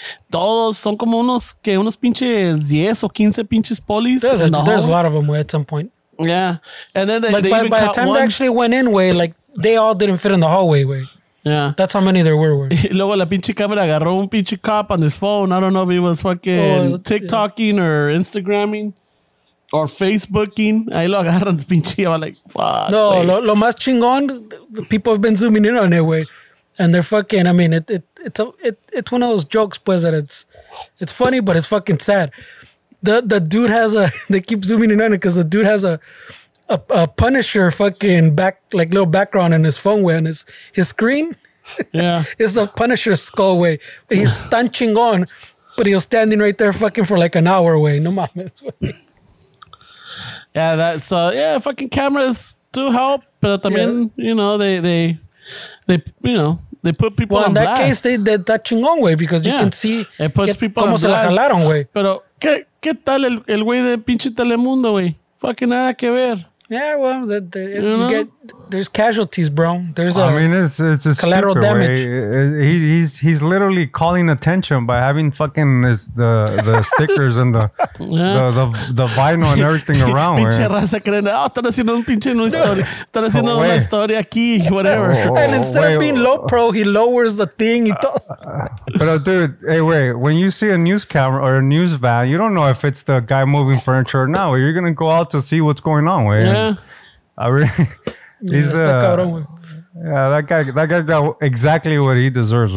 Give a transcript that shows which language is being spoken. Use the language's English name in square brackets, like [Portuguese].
[Spanish] Todos son como unos pinches 10 o 15 pinches polis. [English] There's a lot of them at some point. Yeah. And then by the time one. They actually went in, way, like they all didn't fit in the hallway, way. Yeah, that's how many there were. [Spanish] Luego la pinche cámara agarró un pinche [English] cop on his phone. I don't know if he was fucking TikToking or Instagramming or Facebooking. [Spanish] Ahí lo agarran el pinche. [English] I'm like, fuck. [Spanish] No, lo más chingón, [English] the people have been zooming in on it, way, and they're fucking. I mean, it's one of those jokes, pues, that it's funny, but it's fucking sad. The dude has a. They keep zooming in on it because the dude has a Punisher fucking back, like little background in his phone way on his screen. Yeah. It's the Punisher skull way. He's [Spanish] tan chingón, [English] but he was standing right there fucking for like an hour way. [Spanish] No mames. [English] Yeah, that's, fucking cameras do help, but también, you know, they put people on blast. Well, in that case, they're that chingón way because you can see. It puts people on blast. [Spanish] Como se la jalaron, way. Pero, ¿qué tal el güey de pinche Telemundo, güey? Fucking nada que ver. [English] Yeah, well, there's casualties, bro. There's a. I mean, it's a collateral stupid, damage. Right? He's literally calling attention by having fucking the stickers and the vinyl and everything around. [Spanish] Pinche raza creyendo, están haciendo un pinche no historia, están haciendo una historia aquí, whatever. [English] And instead of being low pro, he lowers the thing. But dude, hey, wait! When you see a news camera or a news van, you don't know if it's the guy moving furniture or not. You're gonna go out to see what's going on, wait. Yeah, I really. He's that guy got exactly what he deserves.